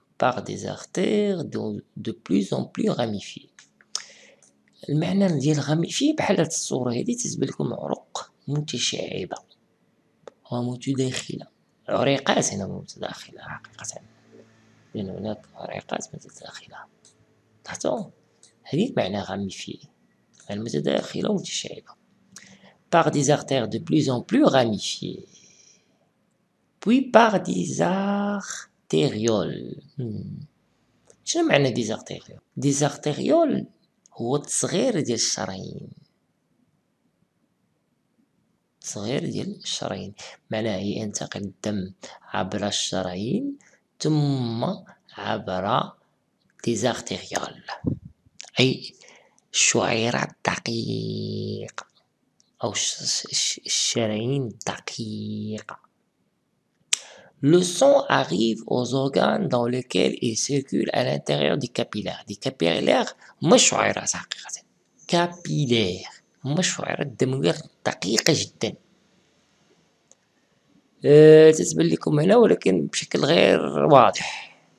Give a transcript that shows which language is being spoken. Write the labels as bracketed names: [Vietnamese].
[French] par des artères de plus en plus ramifiées. [Arabic] المعنى ديال غاميفي بحالة الصورة هذه تزبل لكم عروق متشعبة ومتداخلة، عريقات هنا متداخلة حقيقة، لأن هناك عريقات متداخلة تحتو، هذه معنى غاميفي المتداخلة متشعبة. [French] par des artères de plus en plus ramifiées puis par des artérioles. [Arabic] شنو معنى des artérioles؟ des artérioles هو التصغير ديال الشرايين، صغير ديال الشرايين، معناها ينتقل الدم عبر الشرايين ثم عبر ديزارتيريال، أي الشعيرات الدقيقة أو الشرايين الدقيقة. [French] Le sang arrive aux organes dans lesquels il circule à l'intérieur des capillaires. [Arabic] Des capillaires, مشعرات حقيقة. Capillaires, مشعرات دموية دقيقة جدا. تتبان لكم هنا ولكن بشكل غير واضح.